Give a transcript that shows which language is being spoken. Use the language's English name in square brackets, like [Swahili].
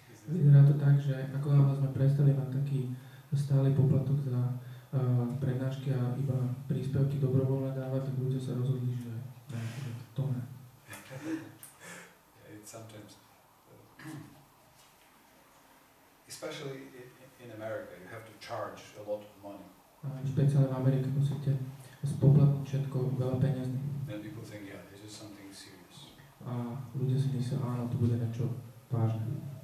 [Slovak] Vyzerá to tak, že ako náhle sme prestali mať taký stály poplatok za prednášky a iba príspevky dobrovoľne dávať, tak ľudia sa rozhodli, že to ne. [English] Sometimes, especially in America, you have to charge a lot of money. [Slovak] Špeciálne v Amerike musíte spoplatniť všetko veľa peňazí. [English] And people think, yeah, this is something serious. [Slovak] A ľudia si myslia, áno, to bude niečo vážne.